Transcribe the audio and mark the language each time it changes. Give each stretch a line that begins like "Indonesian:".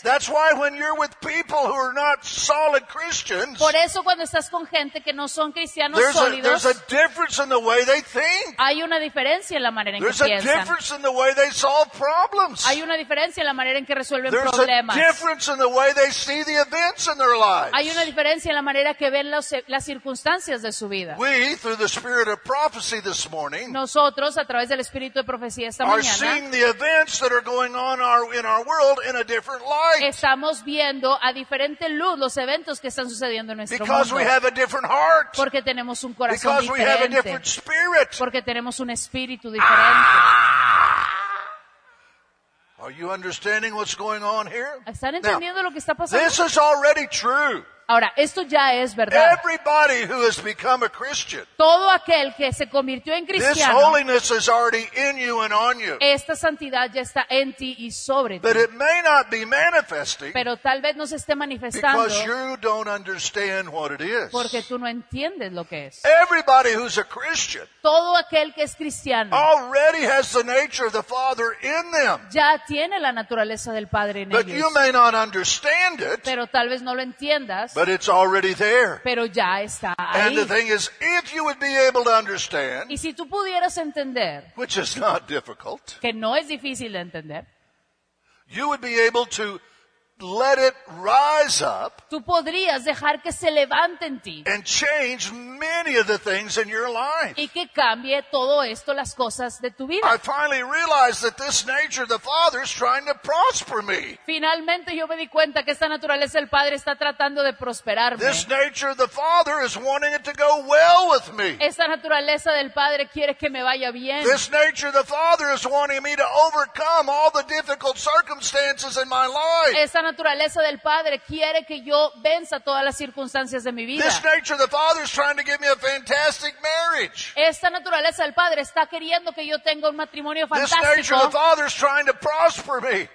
English: That's why when you're with people who are not solid Christians,
Spanish: por eso cuando estás con gente que no son cristianos
English: there's
Spanish: sólidos,
English: there's a difference in the way they think.
Spanish: Hay una diferencia en la manera en
English: there's
Spanish: que piensan.
English: There's a difference in the way they solve problems.
Spanish: Hay una diferencia en la manera en que resuelven
English: there's
Spanish: problemas.
English: There's a difference in the way they see the events in their lives.
Spanish: Hay una diferencia en la manera que ven las circunstancias de su vida.
English: We, through the spirit of prophecy this morning,
Spanish: nosotros, a través del Espíritu de Profecía esta mañana,
English: seeing the events that are going on in our world in a different light.
Spanish: Estamos viendo a diferente luz los eventos que están sucediendo en nuestro
English: because
Spanish: mundo.
English: We have a different heart.
Spanish: Porque tenemos un corazón
English: because
Spanish: diferente.
English: We have a different spirit.
Spanish: Porque tenemos un espíritu diferente.
English: Are you understanding what's going on here?
Spanish: ¿Están entendiendo
English: now,
Spanish: lo que está pasando?
English: This is already true.
Spanish: Ahora, esto ya es verdad.
English: Everybody who has become a Christian,
Spanish: todo aquel que se convirtió en cristiano,
English: this holiness is already in you and on you.
Spanish: Esta santidad ya está en ti y sobre ti.
English: But it may not be manifesting,
Spanish: pero tal vez no se esté manifestando,
English: because you don't understand what it is.
Spanish: Porque tú no entiendes lo que es.
English: Everybody who's a Christian,
Spanish: todo aquel que es cristiano,
English: already has the nature of the Father in them.
Spanish: Ya tiene la naturaleza del Padre en ellos.
English: But you may not understand it,
Spanish: pero tal vez no lo entiendas.
English: But it's already there.
Spanish: Pero ya está ahí.
English: And the thing is, if you would be able to understand,
Spanish: y si tú pudieras entender,
English: which is not difficult,
Spanish: que no es difícil de entender,
English: you would be able to let it rise up,
Spanish: tú podrías dejar que se levante en ti,
English: and change many of the things in your life,
Spanish: y que cambie todo esto, las cosas de tu vida.
English: I finally realized that this nature of the Father is trying to prosper me.
Spanish: Finalmente yo me di cuenta que esta naturaleza del Padre está tratando de prosperarme.
English: This nature of the Father is wanting it to go well with me.
Spanish: Esta naturaleza del Padre quiere que me vaya bien.
English: This nature of the Father is wanting me to overcome all the difficult circumstances in my life.
Spanish: Esta naturaleza del Padre quiere que yo venza todas las circunstancias de mi vida.
English: This nature of the Father is trying to give me a fantastic marriage.
Spanish: Esta naturaleza del Padre está queriendo que yo tenga un matrimonio fantástico.
English: This nature of the Father is trying to prosper me.